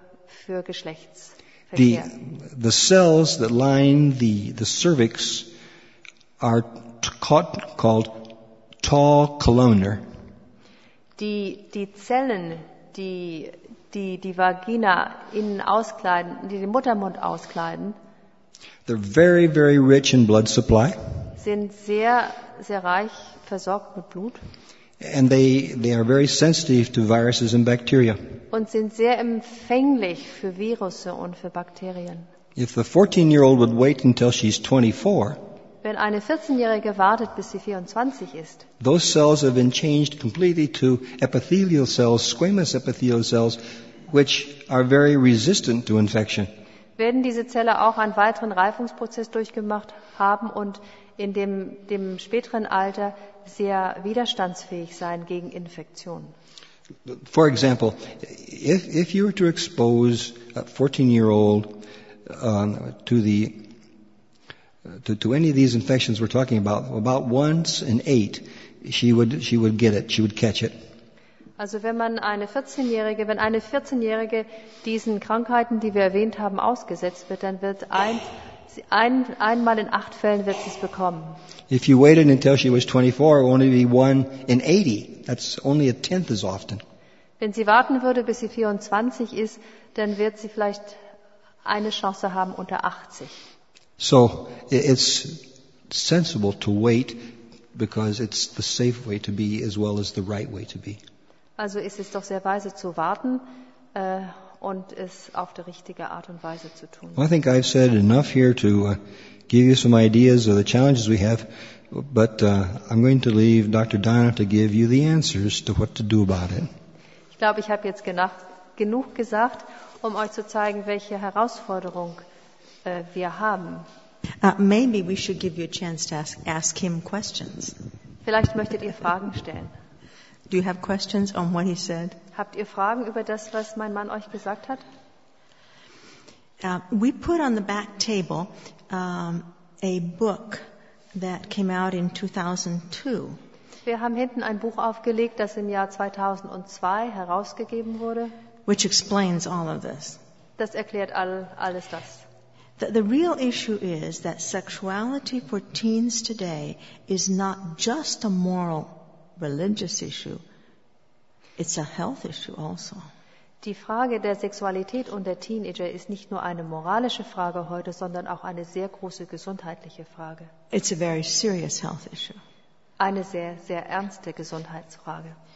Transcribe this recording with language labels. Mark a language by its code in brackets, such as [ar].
[de] für Geschlechtsverkehr. [en] The cells that line the cervix are called tall columnar. [de] Die Zellen, die Vagina innen auskleiden, die den Muttermund auskleiden. [en] They're very, very rich in blood supply. [de] Sind sehr, sehr reich versorgt mit Blut. [en] And they are very sensitive to viruses and bacteria. [de] Und sind sehr empfänglich für Virus und für Bakterien. [en] If the 14-year-old would wait until she's 24, [de] wenn eine 14-Jährige wartet, bis sie 24 ist, [en] those cells have been changed completely to epithelial cells, squamous epithelial cells, which are very resistant to infection. [de] Werden diese Zellen auch einen weiteren Reifungsprozess durchgemacht haben und in dem späteren Alter sehr widerstandsfähig sein gegen Infektionen. [en] For example, if you were to expose a 14-year-old to any of these infections we're talking about once in eight, she would get it, she would catch it. [de] Also wenn eine 14-Jährige diesen Krankheiten, die wir erwähnt haben, ausgesetzt wird, dann wird einmal in acht Fällen wird sie es bekommen. [en] If you waited until she was 24, it would only be one in 80. That's only a tenth as often. [de] Wenn sie warten würde, bis sie 24 ist, dann wird sie vielleicht eine Chance haben unter 80. [en] So, it's sensible to wait because it's the safe way to be as well as the right way to be. [de] Also ist es doch sehr weise zu warten und es auf die richtige Art und Weise zu tun. [en] Well, I think I've said enough here to give you some ideas of the challenges we have, but I'm going to leave Dr. Dinah to give you the answers to what to do about it. [de] Ich glaube, ich habe jetzt genug gesagt, um euch zu zeigen, welche Herausforderung wir haben. [en] Maybe we should give you a chance to ask him questions. [de] Vielleicht möchtet ihr Fragen stellen. [en] Do you have questions on what he said? [de] Habt ihr Fragen über das, was mein Mann euch gesagt hat? [en] We put on the back table a book that came out in 2002. [de] Wir haben hinten ein Buch aufgelegt, das im Jahr 2002 herausgegeben wurde. [en] Which explains all of this. [de] Das erklärt alles das. [en] The real issue is that sexuality for teens today is not just a moral religious issue, it's a health issue also. [de] Die Frage der Sexualität und der Teenager ist nicht nur eine moralische Frage heute, sondern auch eine sehr große gesundheitliche Frage. [en] It's a very serious health issue. [de] Eine sehr, sehr ernste Gesundheitsfrage.